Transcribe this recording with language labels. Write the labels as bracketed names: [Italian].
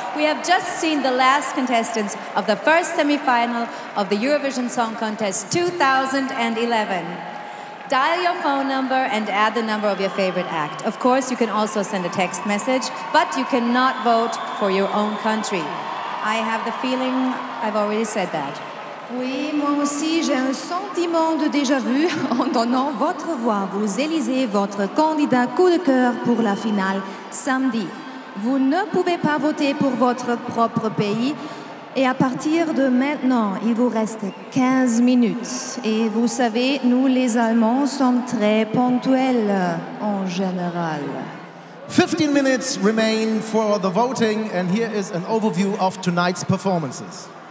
[English] We have just seen the last contestants of the first semi-final of the Eurovision Song Contest 2011. Dial your phone number and add the number of your favorite act. Of course, you can also send a text message, but you cannot vote for your own country. I have the feeling I've already said that. [French] Oui, moi aussi, j'ai un sentiment de déjà-vu. En donnant votre voix, vous élisez votre candidat coup de cœur pour la finale samedi. Vous ne pouvez pas voter pour votre propre pays. Et à partir de maintenant, il vous reste 15 minutes. Et vous savez, nous les Allemands sommes très ponctuels en général. [English] 15 minutes remain for the voting and here is an overview of tonight's performances.